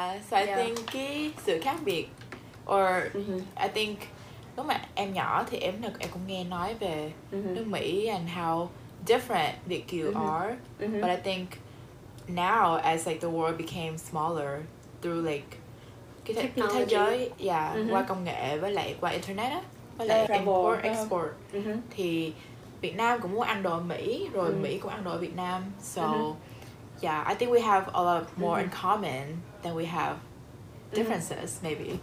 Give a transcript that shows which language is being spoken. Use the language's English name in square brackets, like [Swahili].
[English] Think [Vietnamese] cái sự khác biệt, [English] or I think [Vietnamese] lúc mà em nhỏ thì em cũng nghe nói về nước Mỹ [English] and how different [Vietnamese] Việt Kiều [English] are. But I think now as like the world became smaller through like technology, [Vietnamese] qua công nghệ với lại qua internet á, với lại import export thì Việt Nam cũng muốn ăn đồ Mỹ, rồi Mỹ cũng ăn đồ Việt Nam. [English] So, I think we have a lot more in common than we have differences, maybe.